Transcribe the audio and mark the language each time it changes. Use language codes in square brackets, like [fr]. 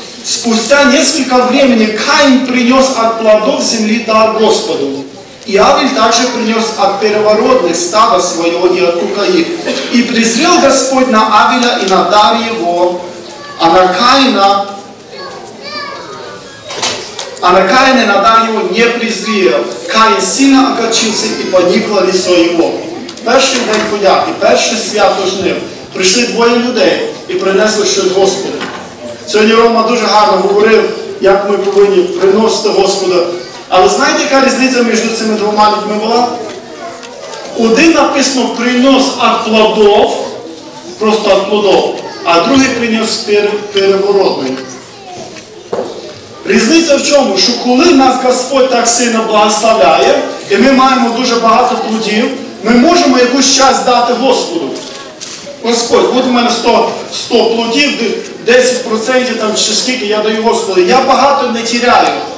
[ru] Спустя несколько времени Каин принес от плодов земли дар Господу, и Авель также принес от первородных стада своего и от рука их. И презрел Господь на Авеля и на дар его, а на Каина на дар его не презрел. Каин сильно огорчился и поникло лицо его». [uk] Перший день подяки, перше свято жнив. Прийшли двоє людей і принесли щось Господу. Сьогодні Рома дуже гарно говорив, як ми повинні приносити Господу. Але знаєте, яка різниця між цими двома людьми була? Один написано принес охладов, просто охладов, а другий принес переворотний. Різниця в чому? Що коли нас Господь так сильно благословляє, і ми маємо дуже багато плодів, ми можемо якусь часть дати Господу. Господь, от у мене 100 плодів, 10% там, чи скільки я даю Господу, я багато не тіряю.